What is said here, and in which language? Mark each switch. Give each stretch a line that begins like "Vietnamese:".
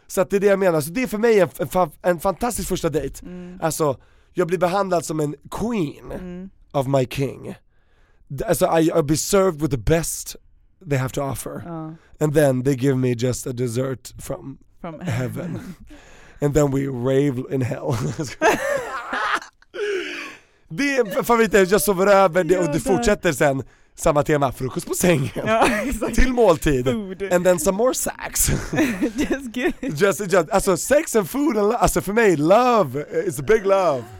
Swedish: Så att det är det jag menar. Så det är för mig en fantastisk första dejt. Alltså, jag blir behandlad som en
English: queen of my king. Alltså, I'll be served with the best they have to offer. And then they give me just a dessert from heaven. And then we rave in hell.
Swedish: Det är favoriten, jag sover över det och det fortsätter sen samma tema, frukost på sängen. Till måltid.
English: Food. And then some more sex. Just good. Just alltså sex and food and alltså
Swedish: för mig
English: love is a big love.